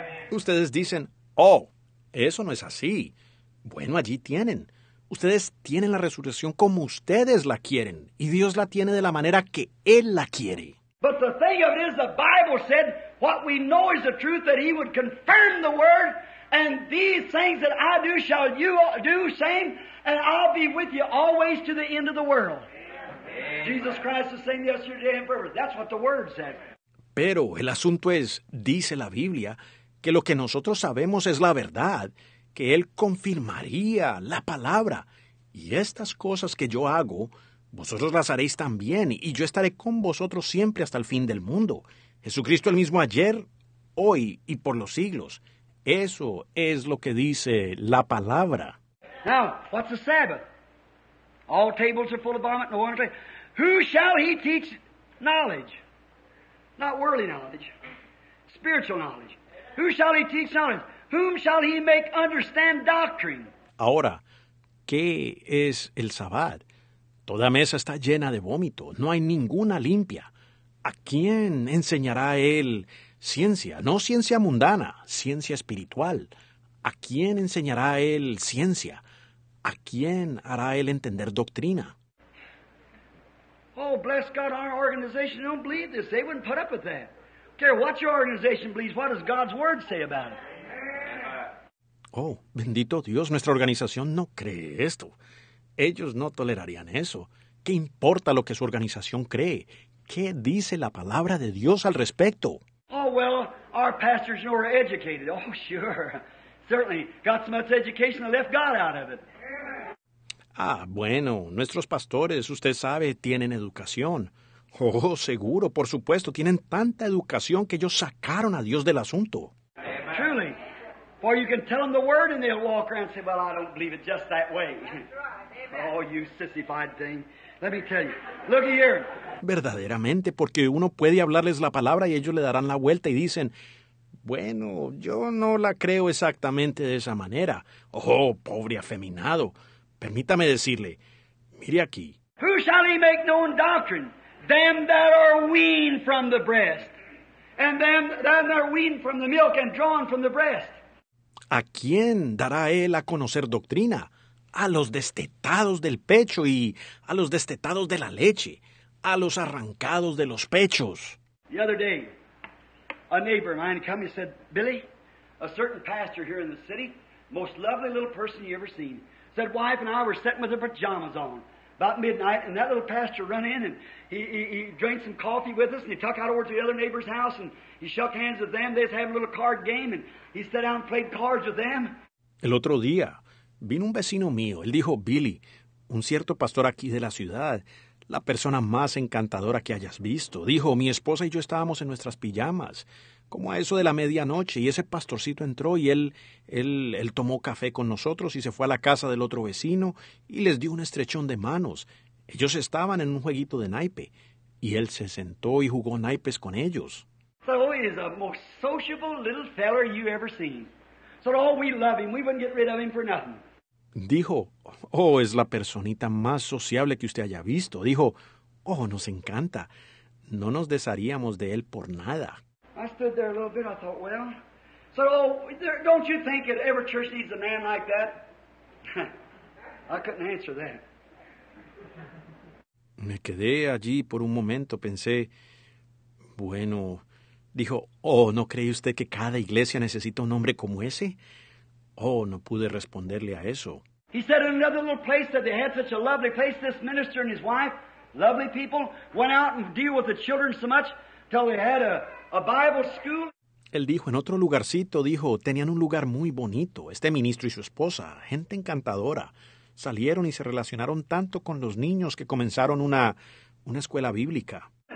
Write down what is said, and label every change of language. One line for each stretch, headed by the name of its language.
Spanish: Ustedes dicen, oh, eso no es así. Bueno, allí tienen. Ustedes tienen la resurrección como ustedes la quieren, y Dios la tiene de la manera que él la quiere.
English: But the thing of it is, the Bible said, what we know is the truth, that he would confirm the word. And these things that I do, shall you do same, and I'll be with you always to the end of the world. Amen. Jesus Christ is saying yesterday and forever. That's what the Word said.
Spanish: Pero el asunto es, dice la Biblia, que lo que nosotros sabemos es la verdad, que Él confirmaría la palabra. Y estas cosas que yo hago, vosotros las haréis también, y yo estaré con vosotros siempre hasta el fin del mundo. Jesucristo el mismo ayer, hoy y por los siglos. Eso es lo que dice la palabra.
English: Now, what's the Sabbath? All tables are full of vomit and the water. Who shall he teach knowledge? Not worldly knowledge, spiritual knowledge. Who shall he teach knowledge? Whom shall he make understand doctrine?
Spanish: Ahora, ¿qué es el Sabbath? Toda mesa está llena de vómito. No hay ninguna limpia. ¿A quién enseñará él? Ciencia, no ciencia mundana, ciencia espiritual. ¿A quién enseñará él ciencia? ¿A quién hará él entender doctrina?
English: Oh, bless God, our organization don't believe this. They wouldn't put up with that. Care what your organization believes, what does God's word say about it?
Spanish: Oh, bendito Dios, nuestra organización no cree esto. Ellos no tolerarían eso. ¿Qué importa lo que su organización cree? ¿Qué dice la palabra de Dios al respecto?
English: Oh, well, our pastors are educated. Oh, sure. Certainly got so much education and left God out of it.
Spanish: Ah, bueno, nuestros pastores, usted sabe, tienen educación. Oh, seguro, por supuesto, tienen tanta educación que ellos sacaron a Dios del asunto.
English: Amen. Truly. For you can tell them the word and they'll walk around and say, well, I don't believe it just that way. Right. Oh, you sissified thing. Let me tell you. Look here.
Spanish: Verdaderamente, porque uno puede hablarles la palabra y ellos le darán la vuelta y dicen, bueno, yo no la creo exactamente de esa manera. Oh, pobre afeminado. Permítame decirle, mire aquí.
English: Who shall he make known doctrine? Them that are weaned from the breast. And them that are weaned from the milk and drawn from the breast.
Spanish: ¿A quién dará él a conocer doctrina? A los destetados del pecho y a los destetados de la leche. A los arrancados de los pechos.
English: The other day, a neighbor of mine came and said, Billy, a certain pastor here in the city, most lovely little person you ever seen, said, wife and I were sitting with our pajamas on about midnight, and that little pastor run in, and he drank some coffee with us, and he took out over to the other neighbor's house, and he shook hands with them. They was having a little card game, and he sat down and played cards with them.
Spanish: El otro día, vino un vecino mío. Él dijo, Billy, un cierto pastor aquí de la ciudad, la persona más encantadora que hayas visto. Dijo, mi esposa y yo estábamos en nuestras pijamas, como a eso de la medianoche, y ese pastorcito entró y él tomó café con nosotros y se fue a la casa del otro vecino y les dio un estrechón de manos. Ellos estaban en un jueguito de naipe, y él se sentó y jugó naipes con ellos.
English: So he is the most sociable little feller you've ever seen. So, oh, we love him. We wouldn't get rid of him for nothing.
Spanish: Dijo, oh, es la personita más sociable que usted haya visto. Dijo, oh, nos encanta. No nos desharíamos de él por nada.
English: I stood there a little bit. I thought, well, so, oh, don't you think that every church needs a man like that? I couldn't answer that.
Spanish: Me quedé allí por un momento. Pensé, bueno, dijo, oh, ¿no cree usted que cada iglesia necesita un hombre como ese? Oh, no pude responderle a eso.
English: He said in another little place that they had such a lovely place, this minister and his wife, lovely people, went out and deal with the children so much till they had a Bible school.
Spanish: Él dijo, en otro lugarcito, dijo, tenían un lugar muy bonito, este ministro y su esposa, gente encantadora. Salieron y se relacionaron tanto con los niños que comenzaron una escuela bíblica.